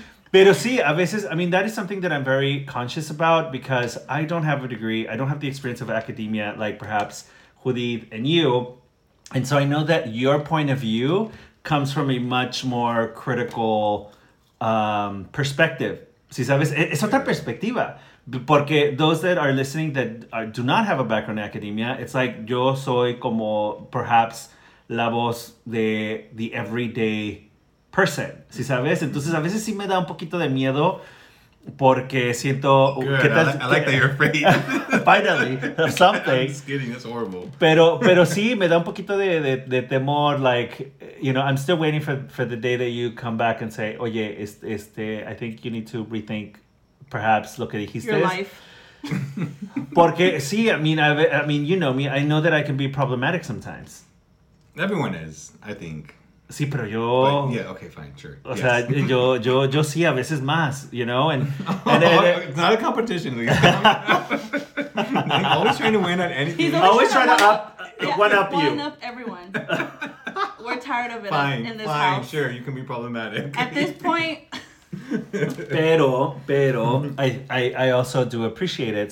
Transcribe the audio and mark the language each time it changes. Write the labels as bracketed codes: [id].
[es] Pero sí, a veces, [en] I mean, that is something that I'm very conscious about because I don't have a degree. I don't have the experience of academia like perhaps Judith and you. And so I know that your point of view comes from a much more critical perspective. [es] Si sabes, es otra perspectiva. Porque [en] those that are listening that do not have a background in academia, it's like [es] yo soy como [en] perhaps [es] la voz de [en] the everyday person, [es] ¿sí sabes? Entonces a veces sí me da un poquito de miedo porque siento... [en] I like that you're afraid. Finally, of something. I'm just kidding, that's horrible. [es] Pero sí, me da un poquito de temor, [en] like, you know, I'm still waiting for the day that you come back and say, [es] oye, [en] I think you need to rethink... Perhaps [es] lo que dijiste. [en] Your life. [es] Porque, sí, [en] I mean, you know me. I know that I can be problematic sometimes. Everyone is, I think. [es] Sí, pero yo... [en] But, yeah, okay, fine, sure. [es] O sea, yo sí, a veces más, [en] you know? It's not a competition, Lisa. Always trying to win at anything. He's always trying to one-up you. One-up everyone. We're tired of it in this house. Sure, you can be problematic. At this point... [es] pero [en] I also do appreciate it.